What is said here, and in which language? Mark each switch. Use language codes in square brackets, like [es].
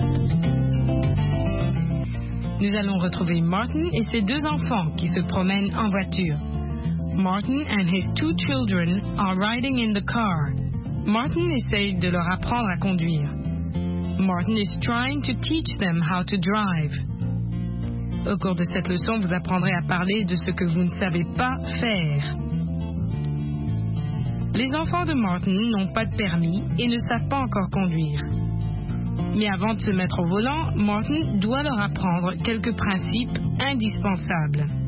[fr] Nous allons retrouver Martin et ses deux enfants qui se promènent en voiture. [en] Martin and his two children are riding in the car. [fr] Martin essaye de leur apprendre à conduire. [en] Martin is trying to teach them how to drive. [fr] Au cours de cette leçon, vous apprendrez à parler de ce que vous ne savez pas faire. Les enfants de Martin n'ont pas de permis et ne savent pas encore conduire. Mais avant de se mettre au volant, Martin doit leur apprendre quelques principes indispensables.